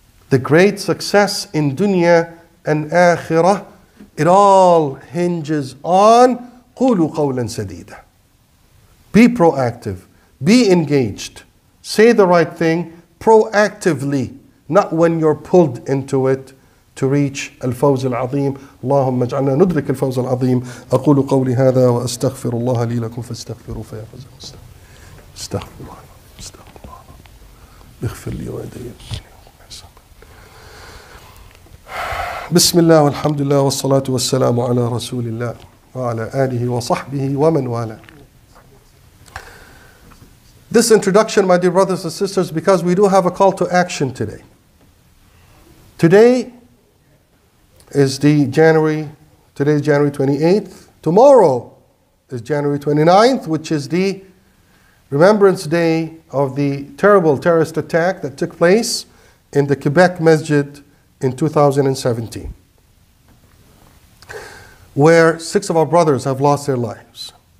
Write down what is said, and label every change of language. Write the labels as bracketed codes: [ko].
[en] The great success in dunya and akhirah, it all hinges on [ar] قُولُوا قَوْلًا سَدِيدًا. [en] Be proactive. Be engaged. Say the right thing proactively, not when you're pulled into it, to reach الفوز العظيم. [ar] اللهم اجعلنا ندرك الفوز العظيم. أقول قولي هذا وأستغفر الله لي لكم فاستغفروا فيا فوز المستغفر. استغفر الله. استغفر الله. اغفر لي ويدي. بسم الله والحمد لله والصلاة والسلام على رسول الله وعلى آله وصحبه ومن والاه. [en] This introduction, my dear brothers and sisters, because we do have a call to action today. Today is January 28th. Tomorrow is January 29th, which is the Remembrance Day of the terrible terrorist attack that took place in the Quebec Masjid in 2017, where six of our brothers have lost their lives.